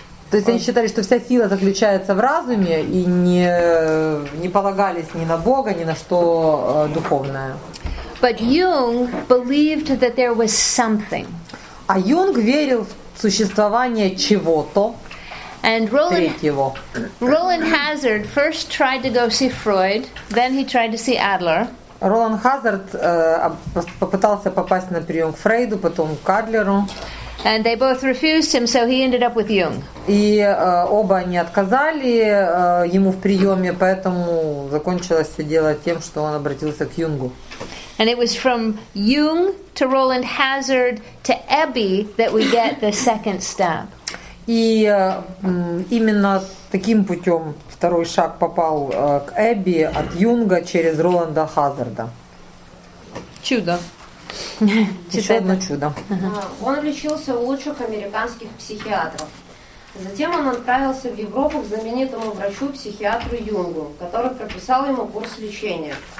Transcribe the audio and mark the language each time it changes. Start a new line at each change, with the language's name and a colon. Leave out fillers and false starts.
Russian: То есть они считали, что вся сила заключается в разуме и не полагались ни на Бога, ни на что духовное.
English: But Jung believed that there was something.
Russian: А Юнг верил в существование чего-то.
English: And Roland Hazard first tried to go see Freud, then he tried to see Adler.
Russian: Роланд Хазард попытался попасть на прием к Фрейду, потом к Адлеру.
English: And they both refused him, so he ended up with Jung.
Russian: И оба они отказали ему в приеме, поэтому закончилось все дело тем, что он обратился к Юнгу.
English: And it was from Jung to Roland Hazard to Abby that we get the second step.
Russian: И именно таким путем второй шаг попал к Эбби от Юнга через Роланда Хазарда. Чудо. Еще одно чудо. Он лечился у лучших американских психиатров. Затем он отправился в Европу к знаменитому врачу-психиатру Юнгу, который прописал ему курс лечения.